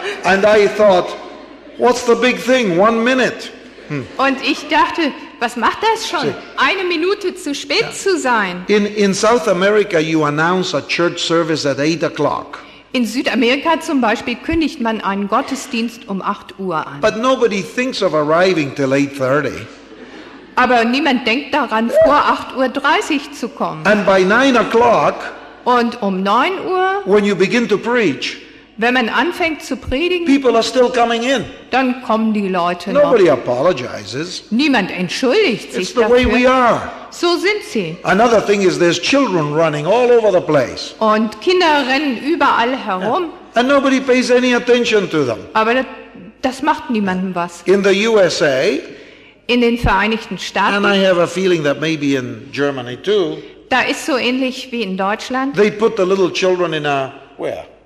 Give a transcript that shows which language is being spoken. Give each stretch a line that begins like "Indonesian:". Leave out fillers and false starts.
English: And I thought, what's the big thing? 1 minute.
German: Und ich dachte, was macht das schon? Eine Minute zu spät zu sein.
English: In South America, you announce a church service at 8:00.
German: In Südamerika zum Beispiel kündigt man einen Gottesdienst um 8 Uhr an.
English: But nobody thinks of arriving till 8:30.
German: Aber niemand denkt daran, vor 8:30 Uhr zu kommen.
English: And by 9:00,
German: und um 9 Uhr,
English: when you begin to preach,
German: wenn man anfängt zu predigen,
English: people are still coming in.
German: Dann kommen die Leute
English: nobody
German: noch.
English: Apologizes.
German: Niemand entschuldigt sich
English: It's the
German: dafür.
English: Way we are.
German: So sind sie.
English: Another thing is there's children running all over the place.
German: Und Kinder rennen überall herum.
English: And nobody pays any attention to them.
German: Aber das macht niemandem was.
English: In the USA.
German: In den Vereinigten Staaten.
English: And I have a feeling that maybe in Germany too.
German: Da ist so ähnlich wie in Deutschland.
English: They put the little children in a where?